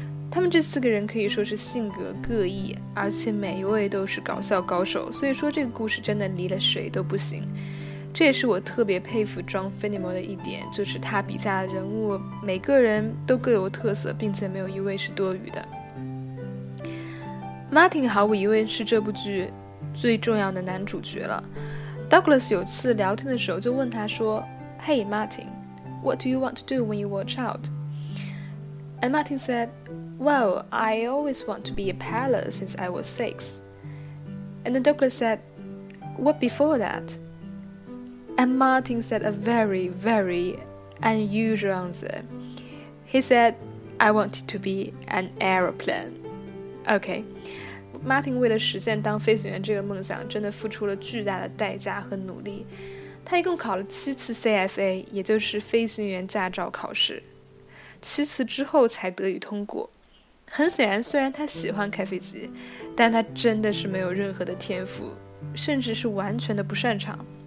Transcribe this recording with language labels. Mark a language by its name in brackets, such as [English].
[Chinese] 他们这四个人可以说是性格各异，而且每一位都是搞笑高手，所以说这个故事真的离了谁都不行。这也是我特别佩服 John Finnemore 的一点，就是他笔下的人物每个人都各有特色，并且没有一位是多余的。 Martin 毫无疑问是这部剧最重要的男主角了。 [English] Douglas [Chinese] 有次聊天的时候就问他说， [English] Hey Martin, what do you want to do when you watch out? And Martin said, Well, I always want to be a pilot since I was 6. And then Douglas said, What before that? And Martin said a very, very unusual answer. He said, I wanted to be an aeroplane. Okay. [Chinese] Martin 为了实现当飞行员这个梦想，真的付出了巨大的代价和努力。他一共考了7次 CFA， 也就是飞行员驾照考试，七次之后才得以通过。很显然，虽然他喜欢开飞机，但他真的是没有任何的天赋，甚至是完全的不擅长。